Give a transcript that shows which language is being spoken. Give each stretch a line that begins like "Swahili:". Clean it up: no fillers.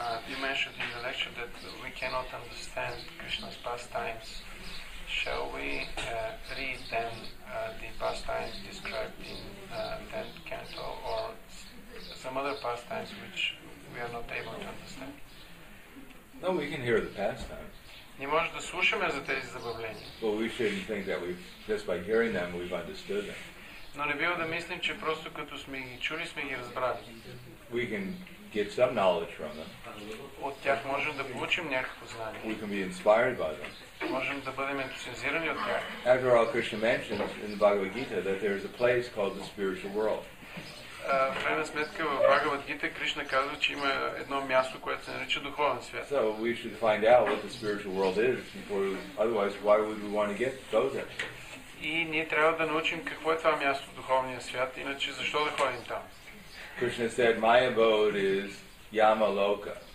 English: You mentioned in the lecture that we cannot understand Krishna's pastimes. Shall we read then the pastimes described in the 10th canto or some other pastimes which we are not able to understand? No, we can hear the pastimes.
Bulgarian: Не може да слушаме за тези забавления.
English: But we shouldn't think that we've, just by hearing them, we've understood them.
Bulgarian: Но не бива да мислим, че просто като сме ги чули, сме ги разбрали.
English: We can get some knowledge from them.
Bulgarian: От тях можем да получим някакво знание.
English: We can be inspired by them.
Bulgarian: Можем да бъдем ентусиазирани от тях.
English: After all, Krishna mentions in the Bhagavad Gita that there is a place called the spiritual world.
Bulgarian: в крайна сметка в Бхагавад Гита Кришна казва, че има едно място, което се нарича духовен свят.
English: So we should find out what the spiritual world is before, otherwise why would we want to get those?
Bulgarian: И ние трябва да научим какво е това място в духовния свят, иначе защо да ходим там?
English: Krishna said my abode is Yamaloka.